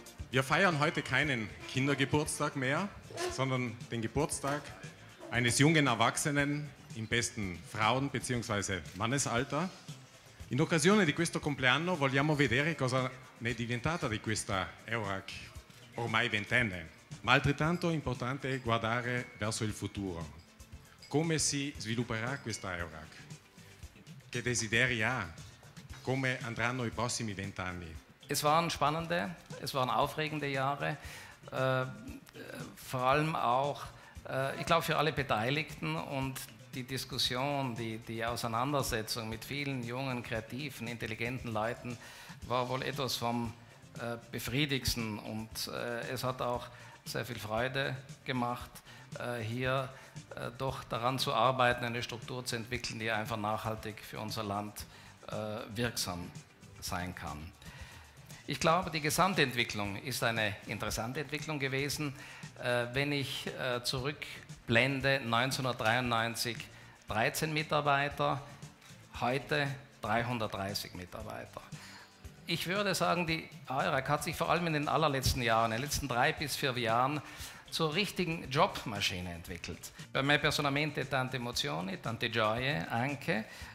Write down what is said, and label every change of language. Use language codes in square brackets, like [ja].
[de] Wir feiern heute keinen Kindergeburtstag mehr, sondern den Geburtstag eines jungen Erwachsenen im besten Frauen- bzw. Mannesalter. [it] In occasione di questo compleanno vogliamo vedere cosa ne è diventata di questa Eurac ormai ventenne. Ma altrettanto è importante guardare verso il futuro. Come si svilupperà questa Eurac? Che desideri ha? Come andranno i prossimi vent'anni? [de] Es waren spannende, es waren aufregende Jahre, vor allem auch, ich glaube, für alle Beteiligten und die Diskussion, die Auseinandersetzung mit vielen jungen, kreativen, intelligenten Leuten war wohl etwas vom Befriedigsten und es hat auch sehr viel Freude gemacht, hier doch daran zu arbeiten, eine Struktur zu entwickeln, die einfach nachhaltig für unser Land wirksam sein kann. Ich glaube, die gesamte Entwicklung ist eine interessante Entwicklung gewesen. Wenn ich zurückblende, 1993 13 Mitarbeiter, heute 330 Mitarbeiter. Ich würde sagen, die Eurac hat sich vor allem in den allerletzten Jahren, in den letzten 3 bis 4 Jahren, zur richtigen Jobmaschine entwickelt. [it] Per me personalmente tante emozioni, tante gioie anche.